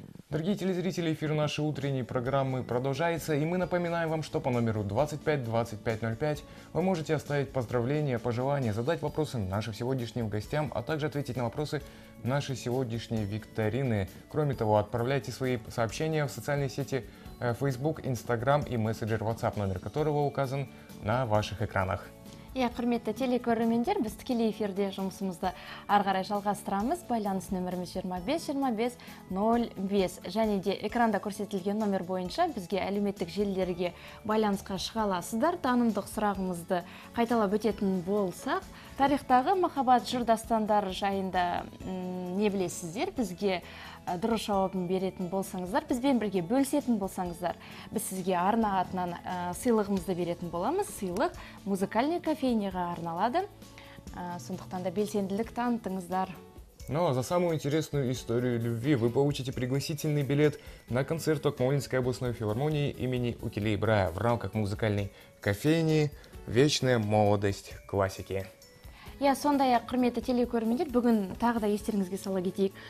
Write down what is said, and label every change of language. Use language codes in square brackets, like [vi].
[ru] Дорогие телезрители, эфир нашей утренней программы продолжается, и мы напоминаем вам, что по номеру 252505 вы можете оставить поздравления, пожелания, задать вопросы нашим сегодняшним гостям, а также ответить на вопросы нашей сегодняшней викторины. Кроме того, отправляйте свои сообщения в социальные сети Facebook, Instagram и мессенджер WhatsApp, номер которого указан на ваших экранах. [kk] Я құрметті телекөрермендер, біз тікелей эфирде жұмысымызды ары қарай жалғастырамыз. Байланыс нөміріміз 25-25-05. Және де экранда көрсетілген номер бойынша бізге әлеуметтік желілерге байланысқа шыға аласыздар. Танымдық сұрағымызды қайталап өтетін болсақ, тарихтағы махаббат жырдастандары жайында не білесіздер? Бізге дұрыс жауабын беретін болсаңыздар, бізбен бірге бөлісетін болсаңыздар, біз сізге арна атынан сыйлығымызды беретін боламыз. Сыйлық [ru] музыкальный [kk] кофейняға арналады, сондықтан да белсенділік танытыңыздар. [ru] Но за самую интересную историю любви вы получите пригласительный билет на концерт Акмолинской областной филармонии имени Укелей Брая в рамках музыкальной кофейни «Вечная молодость классики». [kk] Иә, сондай ақ құрметті телекөрермендер, бүгін тағы да естеріңізге сала кетейік.